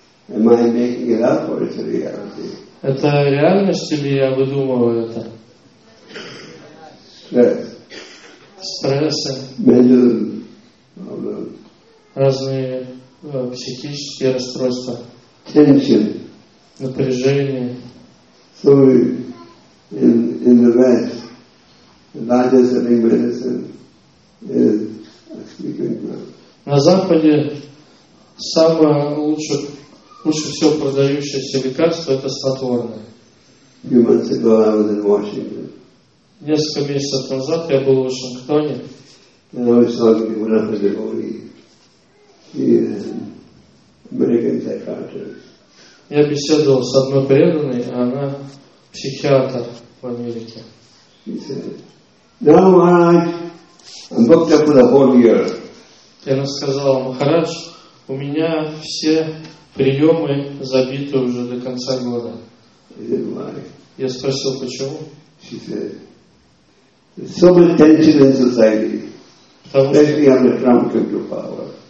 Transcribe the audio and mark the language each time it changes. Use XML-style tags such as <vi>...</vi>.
<en>Am I making it up or is it reality?</en> <ru>Это реальность или я выдумываю это?</ru> <en>Stress.</en> <ru>Стрессы.</ru> <en>Mental problems.</en> <ru>Разные психические расстройства.</ru> <en>Tension.</en> <ru>Напряжение.</ru> <en>So in the West, the largest selling medicine is actually drinking.</en> <ru>На Западе самое лучше всего продающееся лекарство это снотворное.</ru> <en>Few months ago, I was in Washington.</en> <ru>Несколько месяцев назад я был в Вашингтоне.</ru> <en>And I was talking to one of the devotees, American psychiatrist.</en> <ru>Я беседовал с одной преданной, а она психиатр. В Америке.</ru> <en>She said, "Now, Maharaj, I'm booked up for the whole year."</en> <ru>И она сказала, Махарадж, у меня все приемы забиты уже до конца года.</ru> <en>Why?</en> <ru>Я спросил, почему?</ru> <en>She said, "There's so much tension in society, especially under Trump came to power."</en>